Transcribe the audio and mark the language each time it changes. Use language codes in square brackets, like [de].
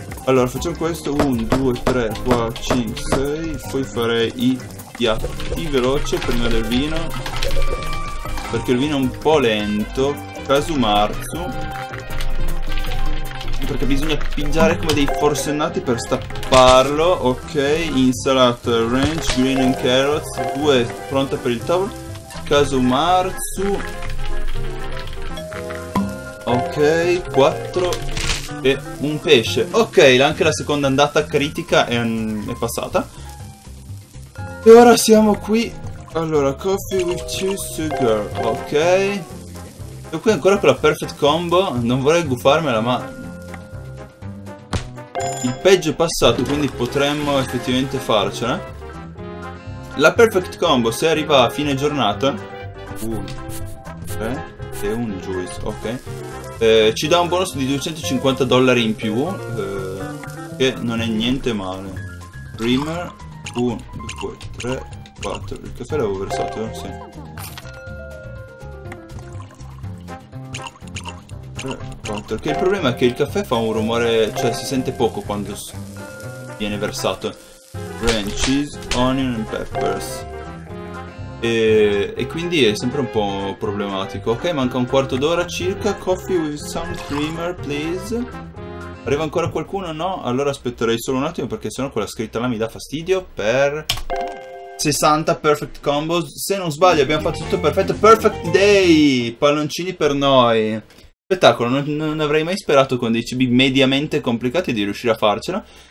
[it] Allora facciamo questo 1, 2, 3, 4, 5, 6. Poi farei i piatti veloce prima del vino, perché il vino è un po' lento. Casumarzu, perché bisogna pigiare come dei forsennati per stapparlo. [en] Ok, insalata ranch, green and carrots. [it] 2 pronta per il tavolo. Casumarzu. Ok, 4 e un pesce. Ok, anche la seconda andata critica è passata. E ora siamo qui. [en] Allora, coffee with two sugar. Ok. [it] Sono qui ancora con la perfect combo. Non vorrei gufarmela, ma il peggio è passato, quindi potremmo effettivamente farcela. La perfect combo, se arriva a fine giornata, 1, 3 e un juice, ok. Ci dà un bonus di 250 dollari in più, che non è niente male. Creamer 1, 2, 3, 4. Il caffè l'avevo versato, sì. 3, 4. Che il problema è che il caffè fa un rumore, cioè si sente poco quando viene versato. [en] Ranch, cheese, onion and peppers. [it] E quindi è sempre un po' problematico. Ok, manca un quarto d'ora circa. [en] Coffee with some creamer, please. [it] Arriva ancora qualcuno? No? Allora aspetterei solo un attimo perché sennò quella scritta là mi dà fastidio. Per 60 perfect combos. Se non sbaglio, abbiamo fatto tutto perfetto. [en] Perfect day! [it] Palloncini per noi. Spettacolo, non avrei mai sperato con dei cibi mediamente complicati di riuscire a farcela.